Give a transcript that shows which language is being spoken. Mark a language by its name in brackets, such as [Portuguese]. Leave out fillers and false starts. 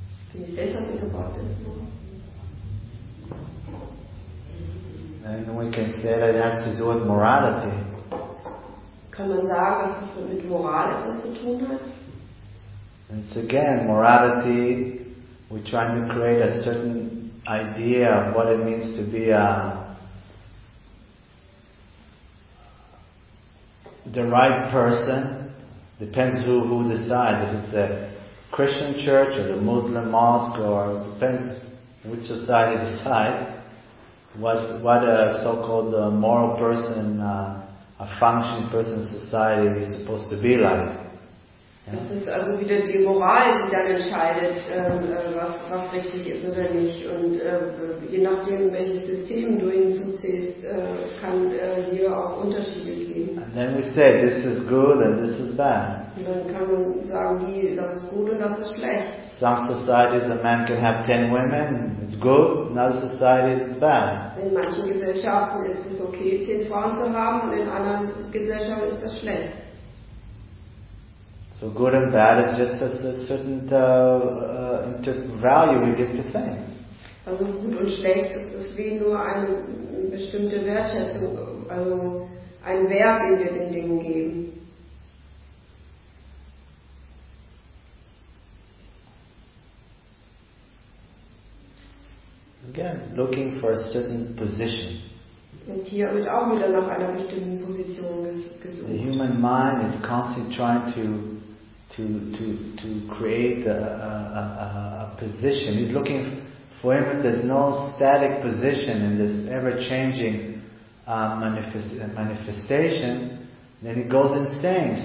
[English] Can you say something about this? And we can say that it has to do with morality. [German] Kann man sagen, dass es mit Moral etwas zu tun hat? [English] It's again morality. We're trying to create a certain idea of what it means to be a. The right person depends who decides. If it's the Christian church or the Muslim mosque, or it depends which society decides what a so-called moral person, a functioning person in society is supposed to be like. Yeah? [German] Es ist also wieder die Moral, die dann entscheidet, was richtig ist oder nicht. Und je nachdem, welches System du hinzuziehst, kann hier auch Unterschiede geben. [English] Then we say, this is good and this is bad. [German] Dann kann man sagen, das ist gut und das ist schlecht. [English] Some societies a man can have 10 women, it's good, in other societies it's bad. [German] In manchen Gesellschaften ist es okay, 10 Frauen zu haben, in anderen Gesellschaften ist das schlecht. [English] So good and bad is just a certain value we give to things. [German] Also gut und schlecht ist wie nur eine bestimmte Wertschätzung, also ein Wert, den wir den Dingen geben. [English] Again, looking for a certain position. [German] Und hier wird auch wieder nach einer bestimmten Position gesucht. [English] The human mind is constantly trying to create a position. He's looking for him. There's no static position in this ever-changing manifestation, then it goes insane.